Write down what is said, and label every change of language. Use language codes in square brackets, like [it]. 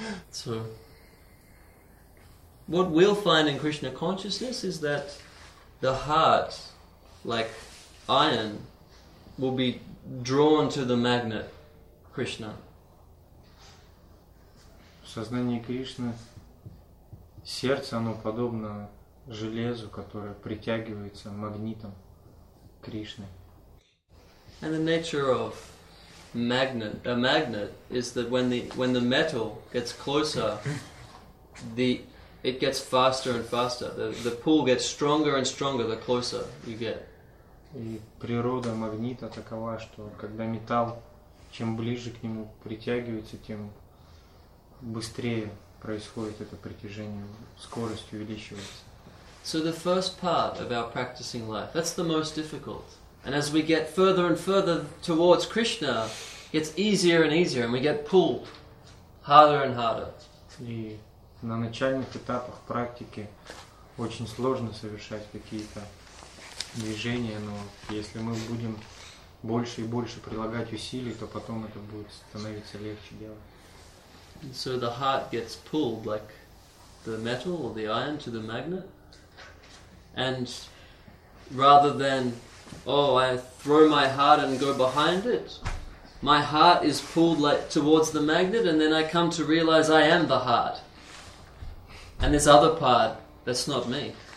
[en] So, what we'll find in Krishna consciousness is that the heart, like iron, will be drawn to the magnet, Krishna. [ru] В сознании Кришны сердце, оно подобно железу, которое притягивается магнитом Кришны. [en] And the nature of a magnet is that when the metal gets closer, it gets faster and faster. The pull gets stronger and stronger the closer you get. [ru] И природа магнита такова, что когда металл, чем ближе к нему притягивается, тем быстрее происходит это притяжение, скорость увеличивается. [en] So the first part of our practicing life, that's the most difficult. And as we get further and further towards Krishna, it gets easier and easier, and we get pulled harder and harder. [ru] И на начальных этапах практики очень сложно совершать какие-то движение, но если мы будем больше и больше прилагать усилий, то потом это будет становиться легче делать. [en] So the heart gets pulled like the metal or the iron to the magnet, and rather than I throw my heart and go behind it, my heart is pulled like towards the magnet, and then I come to realize I am the heart, and this other part, that's not me.